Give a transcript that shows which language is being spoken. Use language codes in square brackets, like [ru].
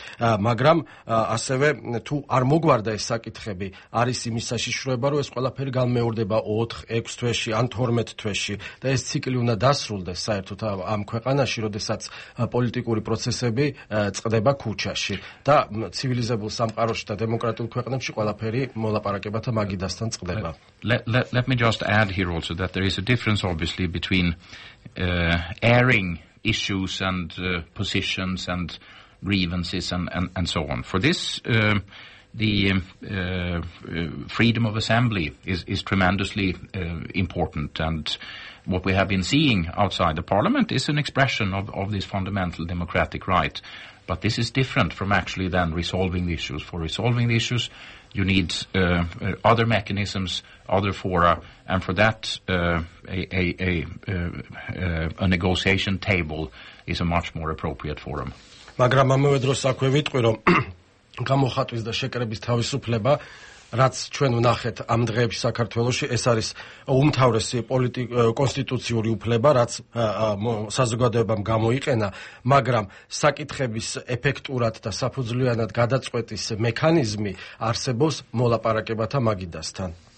[ka] მაგრამ ასევე თუ არ მოგვარდა ეს საკითხები, არის იმის საშიშროება, რომ ეს ყველაფერი განმეორდება 4-6 თვეში ან 12 თვეში და ეს ციკლი უნდა დასრულდეს საერთოდ ამ ქვეყანაში, როდესაც პოლიტიკური პროცესები წყდება ქუჩაში და ცივილიზებულ სამყაროში და დემოკრატიულ ქვეყნებში ყველაფერი მოლაპარაკებათა მაგიდასთან წყდება. [en] Let me just add here also that there is a difference obviously between airing issues and positions and grievances and so on. For this the freedom of assembly is tremendously important, and what we have been seeing outside the parliament is an expression of this fundamental democratic right. But this is different from actually then resolving the issues. For resolving the issues, you need other mechanisms, other fora, and for that, a negotiation table is a much more appropriate forum. [ka] Magram amovedro sakve vitqvi rom gamokhatvis da shekerebis tavisupleba რაც ჩვენ ვნახეთ ამ დღეებში საქართველოში, ეს არის უმთავრესი კონსტიტუციური უფლება, რაც საზოგადოებამ გამოიყენა, მაგრამ საკითხების ეფექტურად და საფუძვლიანად გადაწყვეტის მექანიზმი არსებობს მოლაპარაკებათა მაგიდასთან.